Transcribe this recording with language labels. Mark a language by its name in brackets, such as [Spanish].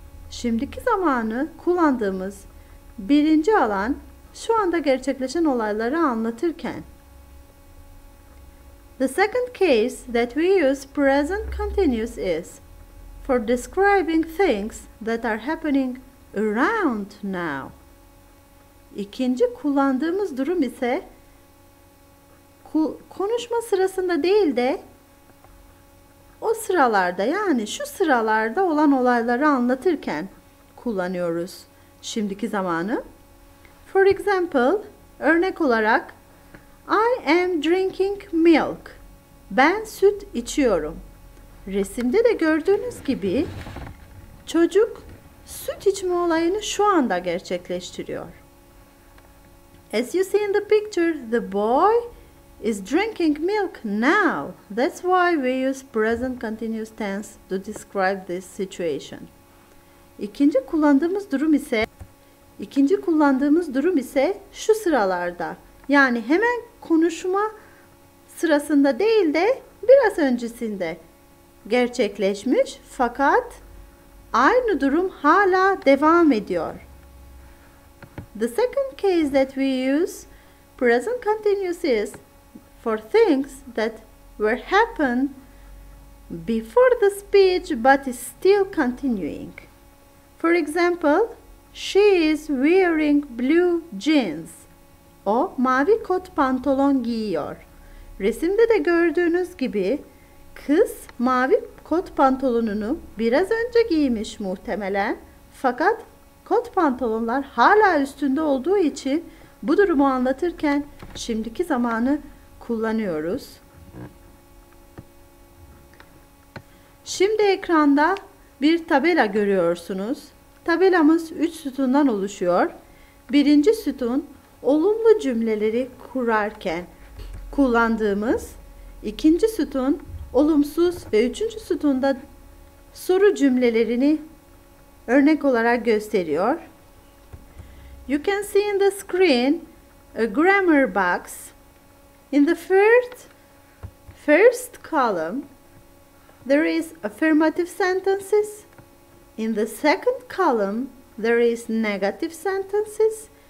[Turkish] Şimdiki zamanı kullandığımız birinci alan şu anda gerçekleşen olayları anlatırken. [English] The second case that we use present continuous is for describing things that are happening around now. [Turkish] İkinci kullandığımız durum ise konuşma sırasında değil de o sıralarda, yani şu sıralarda olan olayları anlatırken kullanıyoruz şimdiki zamanı. [English] For example, [Turkish] örnek olarak [English] I am drinking milk. [Turkish] Ben süt içiyorum. Resimde de gördüğünüz gibi çocuk süt içme olayını şu anda gerçekleştiriyor. [English] As you see in the picture, the boy is drinking milk now. That's why we use present continuous tense to describe this situation. [Turkish] İkinci kullandığımız durum ise şu sıralarda. Yani hemen konuşma sırasında değil de biraz öncesinde gerçekleşmiş, fakat aynı durum hala devam ediyor. [English] The second case that we use present continuous is for things that were happen before the speech but is still continuing. For example, she is wearing blue jeans. [Turkish] O mavi kot pantolon giyiyor. Resimde de gördüğünüz gibi kız mavi kot pantolonunu biraz önce giymiş muhtemelen. Fakat kot pantolonlar hala üstünde olduğu için bu durumu anlatırken şimdiki zamanı kullanıyoruz. Şimdi ekranda bir tabela görüyorsunuz. Tabelamız 3 sütundan oluşuyor. Birinci sütun olumlu cümleleri kurarken kullandığımız, ikinci sütun olumsuz ve üçüncü sütunda soru cümlelerini örnek olarak gösteriyor. [English] You can see in the screen a grammar box. In the first column there is affirmative sentences. In the second column there is negative sentences.